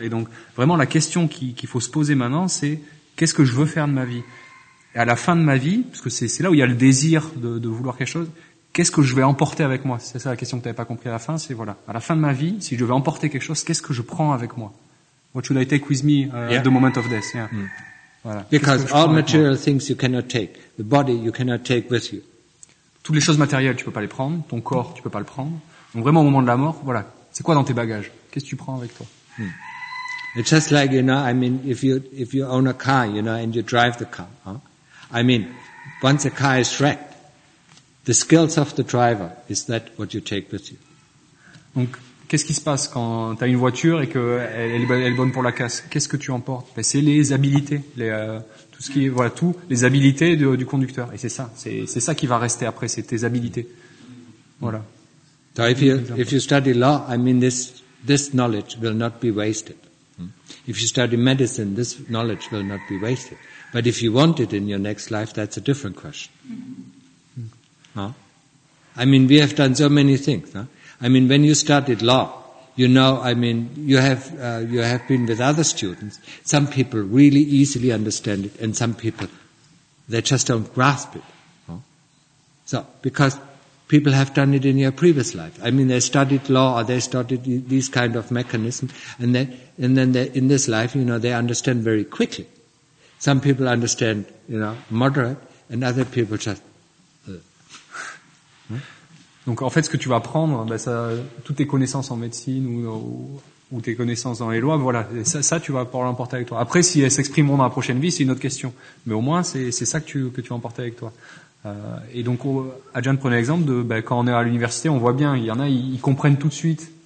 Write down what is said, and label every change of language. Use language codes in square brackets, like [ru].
[fr] Et donc vraiment la question qu'il faut se poser maintenant, c'est qu'est-ce que je veux faire de ma vie? Et à la fin de ma vie, parce que c'est là où il y a le désir de vouloir quelque chose, qu'est-ce que je vais emporter avec moi? C'est ça la question que tu n'avais pas compris à la fin. C'est voilà. À la fin de ma vie, si je vais emporter quelque chose, qu'est-ce que je prends avec moi? [en] What should I take with me at the moment of death? Yeah. Voilà. Because all material things you cannot take. The body you cannot take with you. [fr] Toutes les choses matérielles, tu peux pas les prendre. Ton corps, tu peux pas le prendre. Donc vraiment au moment de la mort, voilà. C'est quoi dans tes bagages? Qu'est-ce que tu prends avec toi? [en] It's just like, you know, I mean, if you own a car, you know, and you drive the car, I mean, once a car is wrecked, the skills of the driver, is that what you take with you? [fr] Donc, qu'est-ce qui se passe quand tu as une voiture et qu'elle est bonne pour la casse? Qu'est-ce que tu emportes? Ben, c'est les habiletés, tout ce qui est, voilà, tout, les habiletés du conducteur. Et c'est ça qui va rester après, c'est tes habiletés. Voilà. [en] So if you study law, I mean this knowledge will not be wasted. If you study medicine, this knowledge will not be wasted. But if you want it in your next life, that's a different question. Mm-hmm. No? I mean, we have done so many things. No? I mean, when you studied law, you know, I mean, you have been with other students. Some people really easily understand it, and some people, they just don't grasp it. No? So, because people have done it in your previous life. I mean, they studied law, or they studied these kind of mechanisms, and then they, in this life, you know, they understand very quickly. Some people understand, you know, moderate, and other people just... [fr] Donc en fait, ce que tu vas apprendre, ben, ça, toutes tes connaissances en médecine ou tes connaissances dans les lois, voilà, ça tu vas pouvoir l'emporter avec toi. Après, si elles s'exprimeront dans la prochaine vie, c'est une autre question. Mais au moins, c'est ça que tu vas emporter avec toi. Et donc, Ajahn prenait l'exemple de ben, quand on est à l'université, on voit bien, il y en a, ils comprennent tout de suite.